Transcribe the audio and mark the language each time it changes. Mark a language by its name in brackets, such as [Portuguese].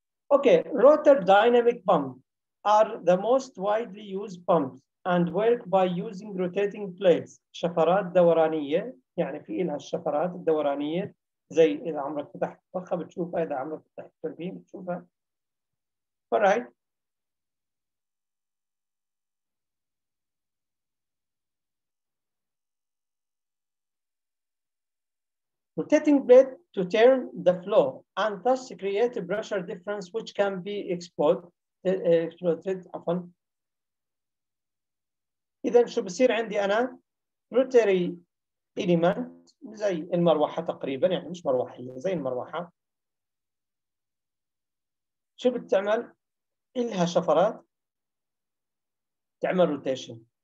[English] Okay, rotor dynamic pumps are the most widely used pumps and work by using rotating plates. [Arabic] شفرات دورانية يعني في إلها الشفرات الدورانية زي إذا عمرك فتحت فخة بتشوفها إذا عمرك فتحت التوربين بتشوفها. [English] Alright. Rotating plate to turn the flow and thus create a pressure difference which can be exploited upon. [Arabic] إذن شو بصير عندي أنا rotary element زي المروحة تقريبا يعني مش مروحة زي المروحة شو بتعمل إلها شفرات تعمل rotation.